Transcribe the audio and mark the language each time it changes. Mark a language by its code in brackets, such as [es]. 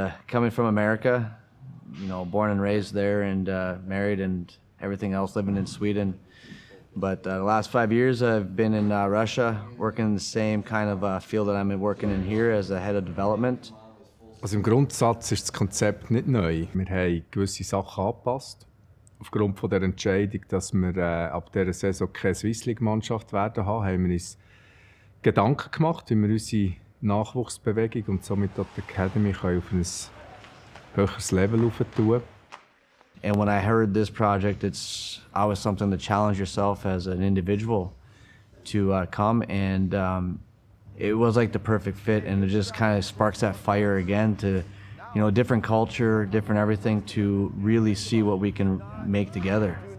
[en] Coming from America, you know, born and raised there and married and everything else, living in Sweden. But the last 5 years I've been in Russia, working in the same kind of field that I'm working in here as a head of development. [de] Also im Grundsatz ist das Konzept nicht neu. Wir haben gewisse Sachen angepasst, aufgrund von der Entscheidung, dass wir ab dieser Saison keine Swiss League Mannschaft werden haben, haben wir uns Gedanken gemacht, wie wir unsere Nachwuchsbewegung und somit auch die Academy auf ein höheres Level hoch tun können. [en] And when I heard this project, it's always something to challenge yourself as an individual to come. And it was like the perfect fit, and it just kind of sparks that fire again to, you know, different culture, different everything, to really see what we can make together.